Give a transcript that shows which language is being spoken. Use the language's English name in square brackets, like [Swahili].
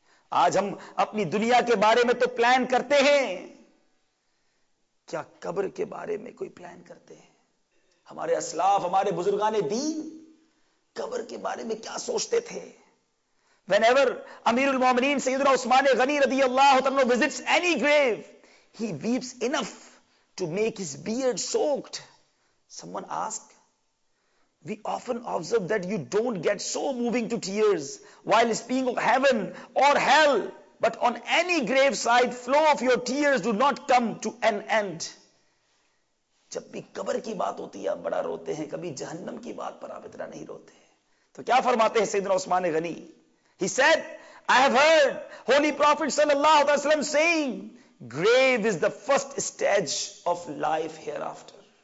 [Urdu] آج ہم اپنی دنیا کے بارے میں تو پلان کرتے ہیں، کیا قبر کے بارے میں کوئی پلان کرتے ہیں؟ ہمارے اسلاف ہمارے بزرگان دین قبر کے بارے میں کیا سوچتے تھے؟ Whenever امیر المومنین سیدنا عثمان غنی رضی اللہ عنہ [English] visits any grave, he weeps enough to make his beard soaked. Someone asked, we often observe that you don't get so moving to tears while speaking of heaven or hell But on any graveside, flow of your tears do not come to an end. [Urdu] جب بھی قبر کی بات ہوتی ہے آپ بڑا روتے ہیں, کبھی جہنم کی بات پر آپ اتنا نہیں روتے. تو کیا فرماتے ہیں سیدنا عثمان غنی؟ [English] He said, I have heard Holy Prophet [Arabic] صلی اللہ علیہ وسلم [English] saying, grave is the first stage of life hereafter.